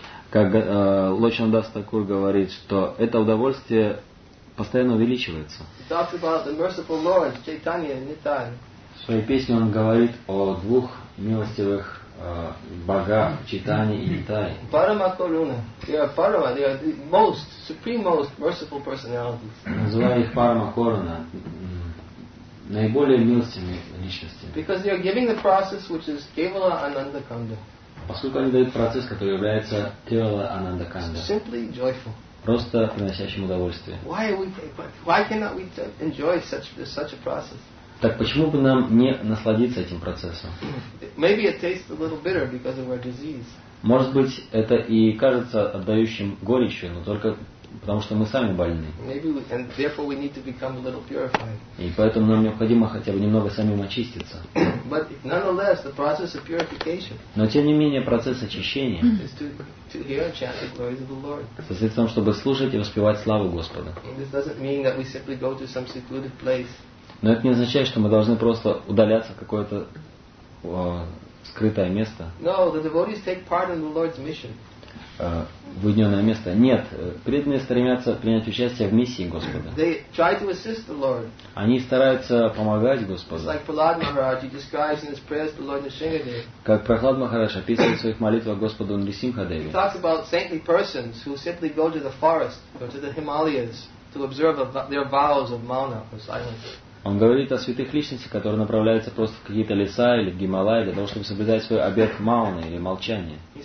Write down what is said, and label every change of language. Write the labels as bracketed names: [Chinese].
[Russian] Как Лочандас Такур говорит, что это удовольствие постоянно увеличивается. [English] He talks about the merciful Lord, Chaitanya and Nitai. [Russian] В своей песне он говорит о двух милостивых богах, Чайтанье и Нитай. Парама Коруна. [English] They are the most, supreme most merciful personalities. [Russian] Называя их Парама Коруна. Наиболее милостивыми личностями. [English] Because they are giving the process which is Kevala Ananda Kanda. [Russian] Поскольку они дают процесс, который является Кевала Ананда Канда. [English] Simply joyful. [Russian] Просто приносящим удовольствие. [English] Why cannot we enjoy such a process? [Russian] Так почему бы нам не насладиться этим процессом? [English] Maybe it tastes a little bitter because of our disease. [Russian] Может быть, это и кажется отдающим горечью, но только потому что мы сами больны. [English] Maybe and therefore we need to become a little purified. [Russian] И поэтому нам необходимо хотя бы немного самим очиститься. [English] But nonetheless, the process of purification. [Russian] Но тем не менее процесс очищения. [English] To hear and chant the glories of the Lord. [Russian] Состоит в том, чтобы слушать и воспевать славу Господа. [English] This doesn't mean that we simply go to some secluded place. [Russian] Но это не означает, что мы должны просто удаляться в какое-то скрытое место. [English] No, the devotees take part in the Lord's mission. [Russian] В уединенное место. Нет, преданные стремятся принять участие в миссии Господа. [English] They try to assist the Lord. [Russian] Они стараются помогать Господу. [English] It's like Prahlad Maharaj, he describes in his prayers to Lord Nrisimhadeva. [Russian] Как Прохлад Махарадж описывает в своих молитвах Господу Нрисимхадеве. [English] He talks about saintly persons who simply go to the forest or to the Himalayas to observe their vows of mauna or silence. [Russian] Он говорит о святых личностях, которые направляются просто в какие-то леса или в Гималайи для того, чтобы соблюдать свой обет мауны или молчание.